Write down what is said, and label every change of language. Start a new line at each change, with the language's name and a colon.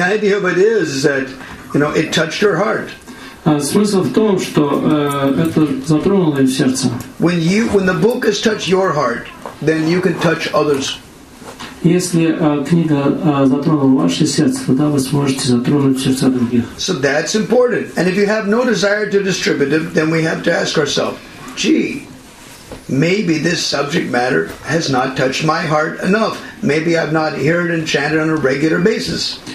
English: idea of it is that, you know, it touched her heart.
Russian: Смысл в том, что это затронуло ее сердце.
English: When the book has touched your heart, then you can touch others.
Russian: Если книга затронула ваше сердце, тогда вы сможете затронуть сердца других.
English: So that's important. And if you have no desire to distribute it, then we have to ask ourselves, gee, maybe this subject matter has not touched my heart enough. Maybe I've not heard and chanted on a regular basis.